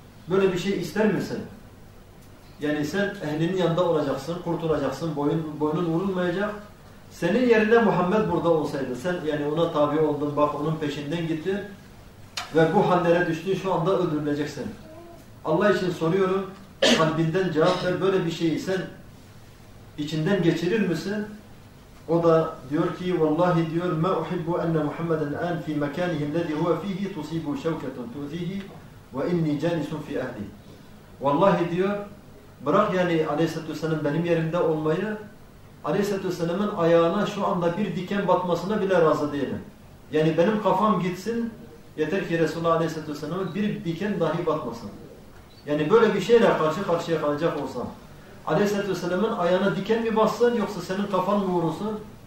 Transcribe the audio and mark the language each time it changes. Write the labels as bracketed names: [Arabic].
[Turkish] Böyle bir şey ister misin? Yani sen ehlinin yanında olacaksın, kurtulacaksın, boynun vurulmayacak. Senin yerine Muhammed burada olsaydı, sen yani ona tabi oldun, bak onun peşinden gittin ve bu hallere düştün, şu anda öldürüleceksin. Allah için soruyorum, kalbinden cevap ver, böyle bir şeyi sen içinden geçirir misin? O da diyor ki, vallahi diyor, [Arabic] مَا أُحِبُّ أَنَّ مُحَمَّدًا الْاَنْ فِي مَكَانِهِ الَّذِي هُوَ ف۪يهِ تُصِيبُ شَوْكَةٌ تُوْذ۪يهِ وَاِنِّي جَانِسٌ فِي اَهْلِهِ. [Turkish] Vallahi diyor, bırak yani Aleyhisselatü Vesselam benim yerimde olmayı, Aleyhisselatü Vesselam'ın ayağına şu anda bir diken batmasına bile razı değilim. Yani benim kafam gitsin, yeter ki Resulullah Aleyhisselatü Vesselam'ın bir diken dahi batmasın. Yani böyle bir şeyle karşı karşıya kalacak olsam, Aleyhisselatü Vesselam'ın ayağına diken mi bassın, yoksa senin kafan mı vurulsun?